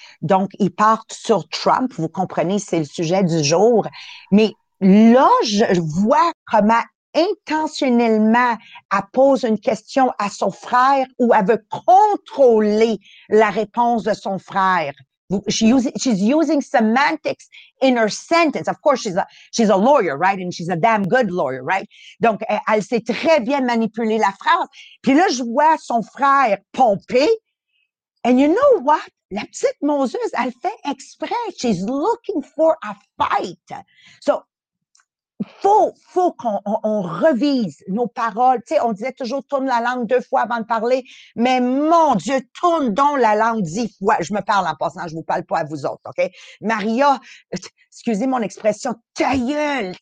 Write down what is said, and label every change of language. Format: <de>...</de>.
<fr>Donc, ils partent sur Trump. Vous comprenez, c'est le sujet du jour. Mais là, je vois comment intentionnellement elle pose une question à son frère ou elle veut contrôler la réponse de son frère.</fr> <en>She's using semantics in her sentence. Of course, she's a lawyer, right? And she's a damn good lawyer, right?</en> <fr>Donc, elle sait très bien manipuler la phrase. Puis là, je vois son frère pomper.</fr> <en>And you know what?</en> <fr>La petite Moseuse, elle fait exprès.</fr> <en>She's looking for a fight.</en> <fr>So, faut qu'on on revise nos paroles. Tu sais, on disait toujours tourne la langue deux fois avant de parler, mais mon Dieu, tourne donc la langue 10 fois. Je me parle en passant, je vous parle pas à vous autres, OK? Maria, excusez mon expression, ta gueule.</fr>